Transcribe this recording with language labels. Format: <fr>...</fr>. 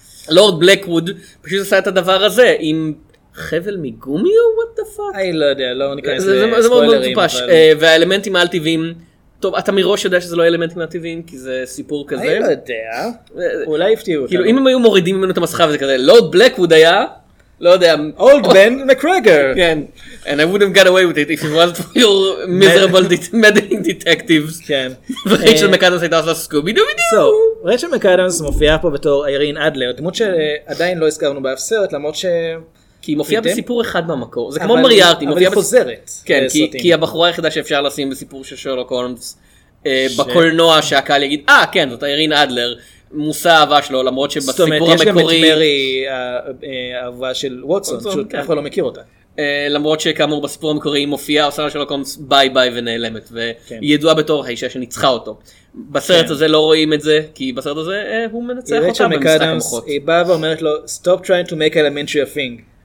<he>לורד בלקווד פשוט עשה את הדבר הזה, עם חבל מגומי או</he> <en>what the fuck?</en> <he>אני לא יודע, לא ניכנס לספוילרים. זה מאוד מאוד מטופש, והאלמנטים האל-טבעיים, טוב, אתה מראש יודע שזה לא אלמנטים אל-טבעיים, כי זה סיפור כזה. אני לא יודע, אולי הפתיעו אותם. כאילו, אם הם היו מורידים ממנו את המסכה וזה כזה, לורד בלקווד היה... לא יודע.</he> <en>Old Ben McGregor.</en> <he>כן.</he> <en>And I would have got away with it if it wasn't for your miserable meddling detectives.</en> <he>כן. ורייצ'ל מקאדמס הייתה עושה סקובי דו בידו. So, רייצ'ל מקאדמס מופיעה פה בתור איירין אדלר, דמות שעדיין לא הזכרנו באף סרט, למרות ש... כי היא מופיעה בסיפור אחד במקור. זה כמו מריארטי. אבל היא חוזרת. כן, כי הבחורה היחידה שאפשר לשים בסיפור של שרלוק הולמס, בקולנוע שהקהל יגיד, כן, זאת איירין אדלר. מושא אהבה שלו, למרות שבסיפור המקורי... זאת אומרת, יש גם את מרי האהבה של ווטסון, שאתה אף אחד לא מכיר אותה. למרות שכאמור בסיפור המקורי היא מופיעה, עושה לה שלוק הומס ביי ביי ונעלמת, והיא ידועה בתור האישה שניצחה אותו. בסרט הזה לא רואים את זה, כי בסרט הזה הוא מנצח אותה במשחק המוחות. היא באה ואומרת לו,</he> <en>stop trying to make elementary a thing.</en>